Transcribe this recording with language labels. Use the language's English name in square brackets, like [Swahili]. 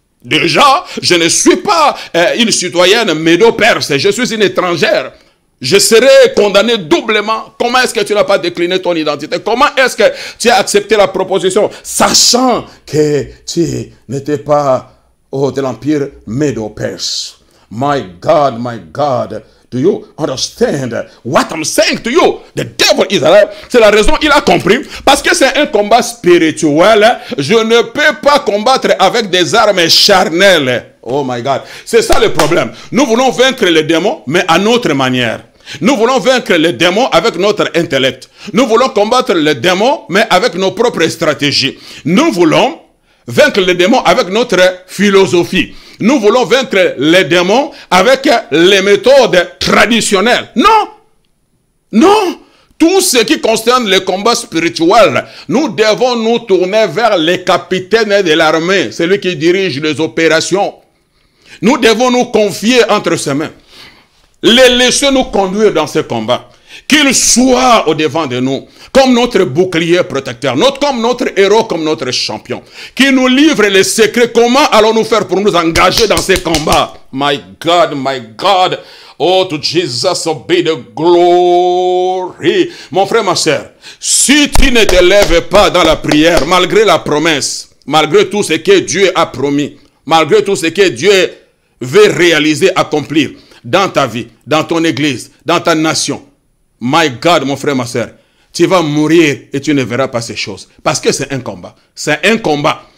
[French] Déjà, je ne suis pas une citoyenne médo-perse, je suis une étrangère. Je serai condamné doublement. Comment est-ce que tu n'as pas décliné ton identité? Comment est-ce que tu as accepté la proposition, sachant que tu n'étais pas de l'empire Medo-Perse? [English] My God, do you understand what I'm saying to you? The devil is alive. [French] C'est la raison, il a compris. Parce que c'est un combat spirituel. Je ne peux pas combattre avec des armes charnelles. [English] Oh my God, [French] c'est ça le problème. Nous voulons vaincre les démons, mais à notre manière. Nous voulons vaincre les démons avec notre intellect. Nous voulons combattre les démons, mais avec nos propres stratégies. Nous voulons vaincre les démons avec notre philosophie. Nous voulons vaincre les démons avec les méthodes traditionnelles. Non! Non! Tout ce qui concerne le combat spirituel, nous devons nous tourner vers le capitaine de l'armée, celui qui dirige les opérations. Nous devons nous confier entre ses mains. Les laisser nous conduire dans ce combat. Qu'il soit au devant de nous, comme notre bouclier protecteur, comme notre héros, comme notre champion. Qu'il nous livre les secrets. Comment allons-nous faire pour nous engager dans ce combat? [English] My God, oh to Jesus be the glory. [French] Mon frère, ma sœur, si tu ne te lèves pas dans la prière, malgré la promesse, malgré tout ce que Dieu a promis, malgré tout ce que Dieu veut réaliser, accomplir dans ta vie, dans ton église, dans ta nation. [English] My God, [French] mon frère, ma sœur, tu vas mourir et tu ne verras pas ces choses. Parce que c'est un combat. C'est un combat.